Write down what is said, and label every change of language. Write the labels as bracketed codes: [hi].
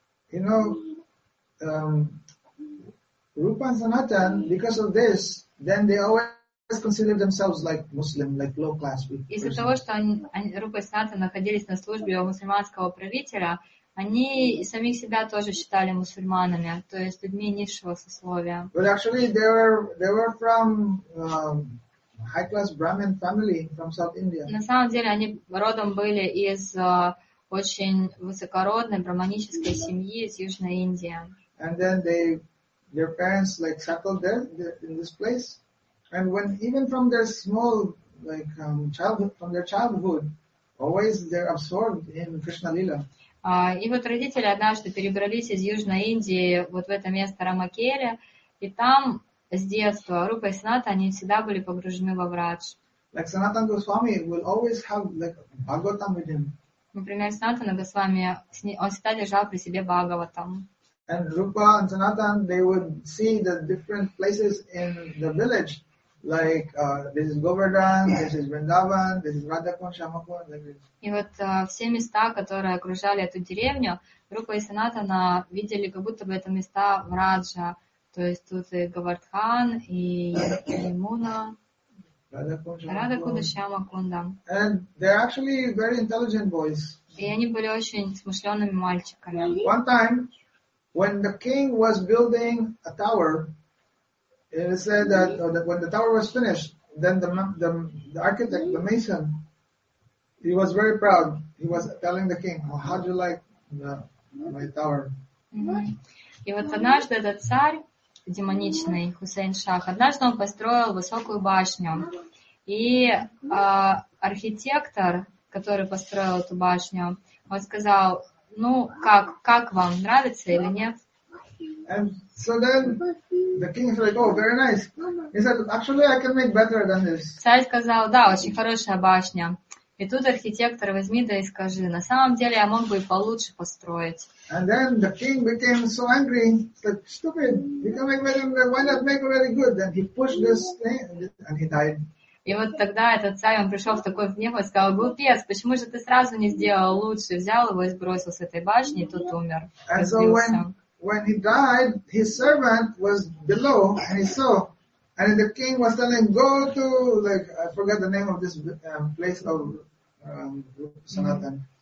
[en] You know, Rupa and Sanatana, because of this, then they always considered themselves like Muslim, like low class people. [ru] Из-за того, что Rupa и Sanatana находились на службе у мусульманского правителя, они самих себя тоже считали мусульманами, то есть людьми низшего сословия. [en] But actually, they were from high-class Brahmin family from South India. [ru] На самом деле, они родом были из очень высокородной брахманической семьи из Южной Индии. [en] And then their parents like settled there in this place, and when even from their small like childhood, from their childhood, always they're absorbed in Krishna Lila. [ru] И вот родители однажды перебрались из Южной Индии вот в это место Рамакеля, и там с детства Рупа и Санатана, они всегда были погружены во врач. [en] Like Sanatan Goswami will always have like Bhagavatam with him. [ru] Например, Санатана Госвами, он всегда держал при себе Бхагаватам. [en] And Rupa and Sanatan, they would see the different places in the village. Like this is Govardhan, this is Vrindavan, this is Radhakund, Shyamakund. [ru] И вот все места, которые окружали эту деревню, Рупа и Санатана видели, как будто бы это места в Раджа. То есть тут и Говардхан, и Муна, Радхакунда, Шьямакунда. [en] And they're actually very intelligent boys. [ru] И они были очень смышленными мальчиками. [en] One time, when the king was building a tower, it is said that when the tower was finished, then the architect, the mason, he was very proud. He was telling the king, oh, "How do you like my tower?" [ru] И вот однажды этот царь демоничный Хусейн Шах однажды он построил высокую башню, и архитектор, который построил эту башню, он сказал, "Ну как вам нравится или нет?" [en] And so then the king is like, oh, very nice. He said, actually, I can make better than this. [ru] Царь сказал, да, очень хорошая башня. И тут архитектор возьми да и скажи, на самом деле я мог бы и получше построить. [en] And then the king became so angry. He said, stupid, you can make better, why not make really good? And he pushed this thing and he died. [ru] И вот тогда этот царь, он пришел в такой гнев и сказал, глупец, почему же ты сразу не сделал лучше? Взял его и сбросил с этой башни, и тот умер. [en] And so when he died, his servant was below, and he saw. And the king was telling, go to, like, I forgot the name of this place of Sanatan.